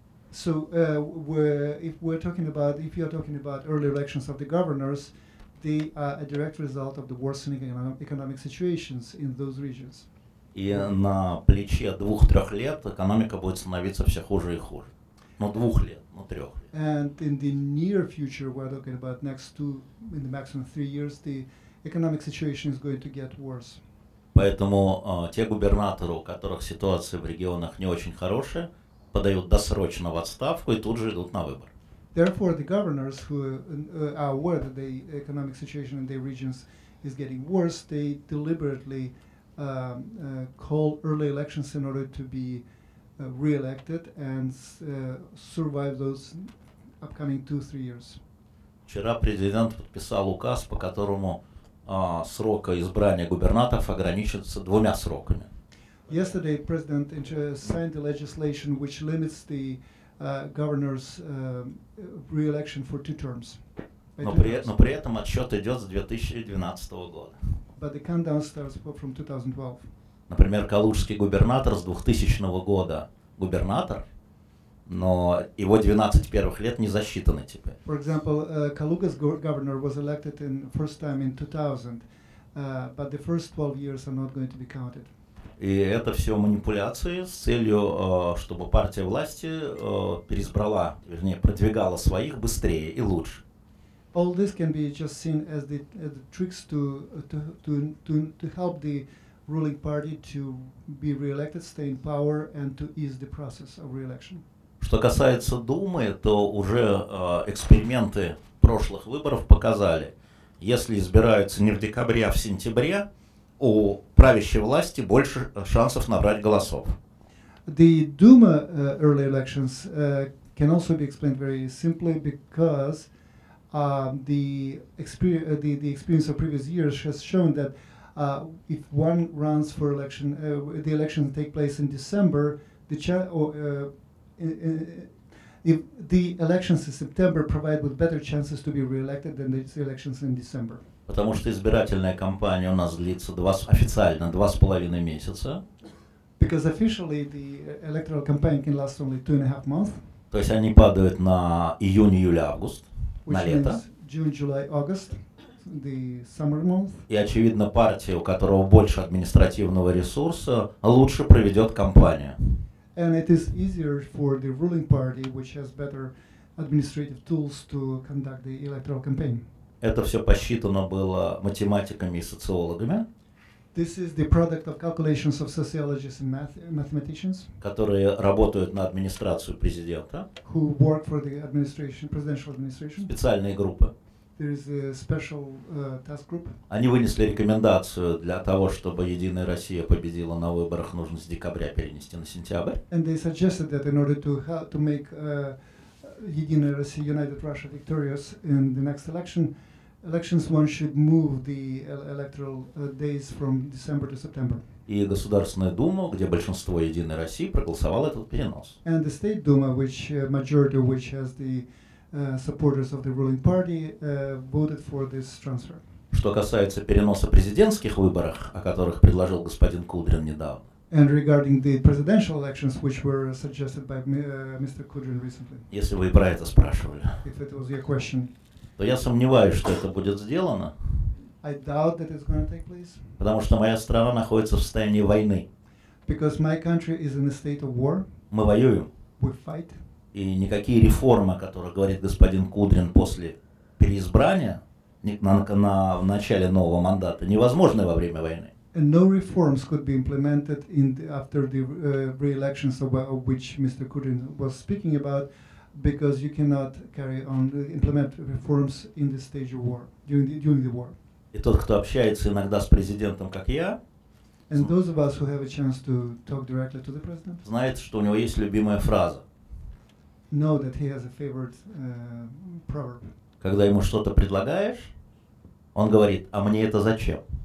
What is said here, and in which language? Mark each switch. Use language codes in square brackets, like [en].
[en] So if you're talking about early elections of the governors, they are a direct result of the worsening economic situations in those regions. [ru] И на плече 2-3 лет экономика будет становиться все хуже и хуже. Но трех. [en] And in the near future, we're talking about next two, in the maximum 3 years, the economic situation is going to get worse. [ru] Поэтому те губернаторы, у которых ситуация в регионах не очень хорошая, подают досрочно в отставку и тут же идут на выборы. [en] Therefore, the governors who are aware that the economic situation in their regions is getting worse, they deliberately call early elections in order to be re-elected and survive those upcoming 2-3 years. [ru] Вчера президент подписал указ, по которому срок избрания губернаторов ограничится 2 сроками. [en] Yesterday, President signed the legislation which limits the governor's re-election for 2 terms. [ru] Но при этом отсчет идет с 2012 года. [en] But the countdown starts from 2012. [ru] Например, калужский губернатор с 2000 года губернатор, но его 12 первых лет не засчитаны теперь. [en] For example, Kaluga's governor was elected in first time in 2000, but the first 12 years are not going to be counted. [ru] И это все манипуляции с целью, чтобы партия власти переизбрала, вернее, продвигала своих быстрее и лучше. [en] All this can be just seen as the tricks to help the ruling party to be re-elected, stay in power, and to ease the process of re-election. [ru] Что касается Думы, то уже эксперименты прошлых выборов показали, если избираются не в декабре, а в сентябре, у правящей власти больше шансов набрать голосов. [en] The Duma early elections can also be explained very simply because the experience of previous years has shown that if one runs for election, the election take place in December, if the elections in September provide with better chances to be re-elected than the elections in December. [ru] Потому что избирательная кампания у нас длится официально 2.5 месяца. [en] Because officially the electoral campaign can last only 2.5 months. [ru] То есть они падают на июнь, июль, август, [en] which [ru] на лето. [en] June, July, August, the summer month. [ru] И очевидно, партия, у которого больше административного ресурса, лучше проведет кампанию. [en] And it is easier for the ruling party, which has better administrative tools to conduct the electoral campaign. [ru] Это все посчитано было математиками и социологами. [en] This is the product of calculations of sociologists and mathematicians. [ru] Которые работают на администрацию президента. [en] Who work for the administration, presidential administration. [ru] Специальные группы. [en] There is a special task group. [ru] Они вынесли рекомендацию для того, чтобы Единая Россия победила на выборах, нужно с декабря перенести на сентябрь. [en] And they suggested that in order to make Единая Россия, United Russia victorious in the next elections one should move the electoral days from December to September. [ru] И Государственная Дума, где большинство Единой России, проголосовала этот перенос. [en] And the State Duma, which majority which has the supporters of the ruling party, voted for this transfer. [ru] Что касается переноса президентских выборов, о которых предложил господин Кудрин недавно. [en] And regarding the presidential elections, which were suggested by Mr. Kudrin recently. [ru] Если вы про это спрашивали. [en] If it was your question. [ru] То я сомневаюсь, что это будет сделано. [en] I doubt that it's going to take place. [ru] Потому что моя страна находится в состоянии войны. [en] Because my country is in a state of war. [ru] Мы воюем. [en] We fight. [ru] И никакие реформы, о которых говорит господин Кудрин после переизбрания, в начале нового мандата, невозможны во время войны. [en] And no reforms could be implemented after the re-elections of which Mr. Kudrin was speaking about, because you cannot carry on implement reforms in this stage of war during the war. [ru] И тот, кто общается иногда с президентом, как я, [en] And those of us who have a chance to talk directly to the president? [ru] Знает, что у него есть любимая фраза. [en] Know that he has a favorite proverb. [ru] Когда ему что-то предлагаешь, он говорит: а мне это зачем?